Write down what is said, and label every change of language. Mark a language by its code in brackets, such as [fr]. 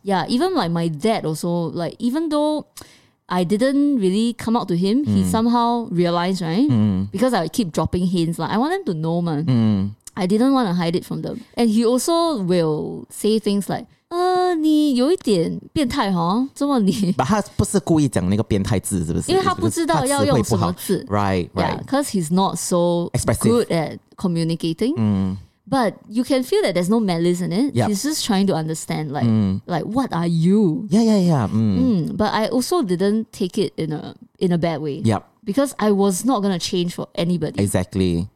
[en] Yeah, even like my dad also, like even though I didn't really come out to him. He somehow realized, right? Because I keep dropping hints. Like, I want them to know, man. I didn't want to hide it from them. And he also will say things like, [zh] 你有一点变态, [en] huh? [zh] 这么你... But 他不是故意讲那个变态字, 是不是? 因为他不知道要用什么字。 [en] Right, right. Because he's not so expressive. Good at communicating. But you can feel that there's no malice in it. Yep. He's just trying to understand, like, like, what are you? Yeah, yeah, yeah. But I also didn't take it in a bad way. Yep. Because I was not going to change for anybody. Exactly.